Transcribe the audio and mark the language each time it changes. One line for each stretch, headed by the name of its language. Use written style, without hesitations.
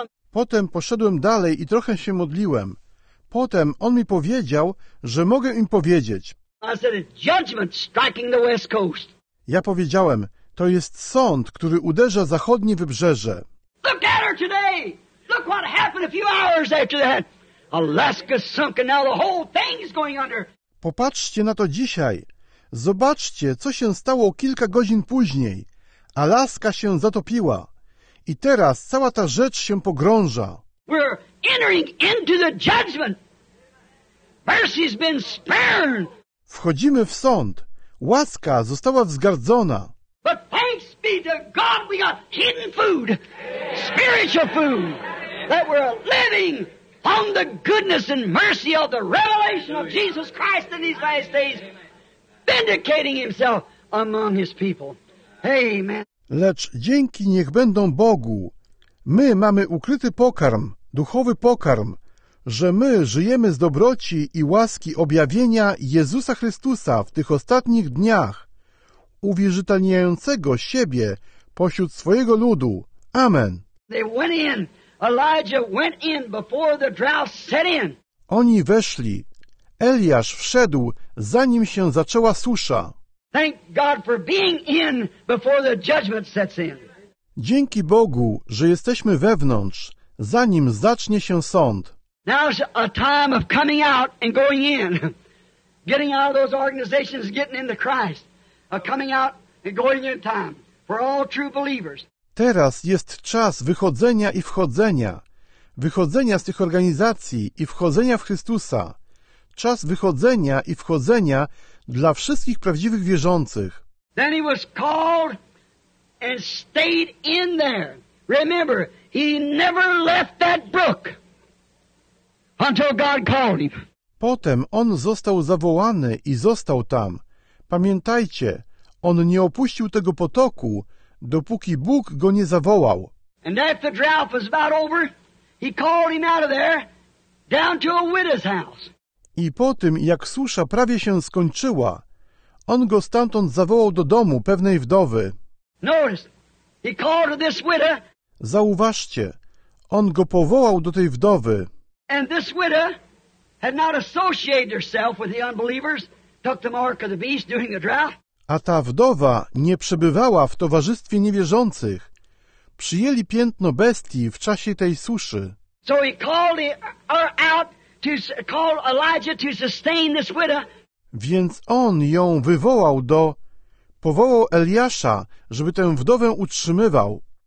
Polish: Potem poszedłem dalej i trochę się modliłem. Potem on mi powiedział, że mogę im powiedzieć.
English: I said, judgment striking the west coast.
Polish: Ja powiedziałem, To jest sąd, który uderza zachodnie wybrzeże.
English: Look at her today! Look what happened a few hours after that! Alaska sunk and now the whole thing is going under!
Polish: Popatrzcie na to dzisiaj. Zobaczcie, co się stało kilka godzin później. Alaska się zatopiła. I teraz cała ta rzecz się pogrąża.
English: We're entering into the judgment. Mercy's been spared.
Polish: Wchodzimy w sąd. Łaska została wzgardzona.
English: But thanks be to God, we got hidden food. Spiritual food. That we're living on the goodness and mercy of the revelation of Jesus Christ in these last days, vindicating himself among his people. Amen.
Polish: Lecz dzięki niech będą Bogu. My mamy ukryty pokarm, duchowy pokarm, że my żyjemy z dobroci i łaski objawienia Jezusa Chrystusa w tych ostatnich dniach, uwierzytelniającego siebie pośród swojego ludu. Amen.
English: They went in. Elijah went in before the drought set in.
Polish: Oni weszli. Eliasz wszedł, zanim się zaczęła susza.
English: Thank God for being in before the judgment sets in.
Polish: Dzięki Bogu, że jesteśmy wewnątrz, zanim zacznie się sąd.
English: Now's a time of coming out and going in. Getting out of those organizations, getting into Christ. A coming out and going in time for all true believers.
Polish: Teraz jest czas wychodzenia i wchodzenia. Wychodzenia z tych organizacji i wchodzenia w Chrystusa. Czas wychodzenia i wchodzenia dla wszystkich prawdziwych wierzących.
English: Then he was called and stayed in there. Remember, he never left that brook until God called him.
Polish: Potem on został zawołany i został tam. Pamiętajcie, on nie opuścił tego potoku, dopóki Bóg go nie zawołał.
English: And after the drought was about over, he called him out of there down to a widow's house.
Polish: I po tym, jak susza prawie się skończyła, on go stamtąd zawołał do domu pewnej wdowy.
English: Notice, he called this widow.
Polish: Zauważcie, on go powołał do tej wdowy.
English: And this widow had not associated herself with the unbelievers, took the mark of the beast during the drought.
Polish: A ta wdowa nie przebywała w towarzystwie niewierzących. Przyjęli piętno bestii w czasie tej suszy.
English: So he called her out. Call Elijah to sustain this widow.
Polish: Więc on ją wywołał do... Powołał Eliasza, żeby tę wdowę utrzymywał.